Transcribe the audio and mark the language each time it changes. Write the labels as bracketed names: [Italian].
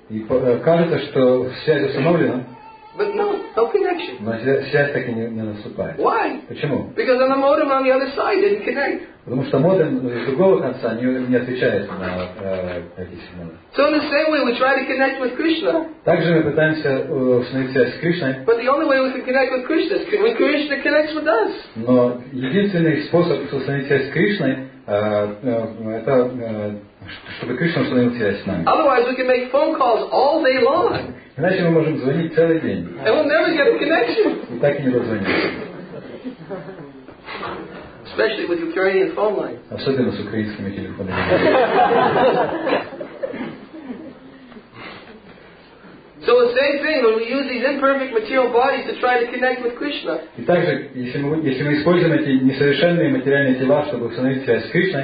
[Russian] И кажется, что связь установлена. [English] But no, no connection. [Russian] Но связь так и не наступает. [English] Why? [Russian] Почему? [English] Because on the modem on the other side didn't connect. [Russian] Потому что модем с другого конца не отвечает на эти сигналы. [English] So in the same way we try to connect with Krishna. [Russian] Также мы пытаемся установить связь с Кришной. [English] But the only way we can connect with Krishna is when Krishna connects with us. [Russian] Но единственный способ установить связь с Кришной это чтобы Кришна установил связь с нами. [English] Otherwise we can make phone calls all day long. [Russian] Иначе мы можем звонить целый день. [English] And we'll never get a connection. [Russian] И так и не дозвонимся. [English] Especially with Ukrainian phone line. [Russian] Особенно с украинскими телефонами. [English] So the same thing when we use these imperfect material bodies to try to connect with Krishna. [Russian] И также, если мы используем эти несовершенные материальные тела, чтобы установить связь с Кришной.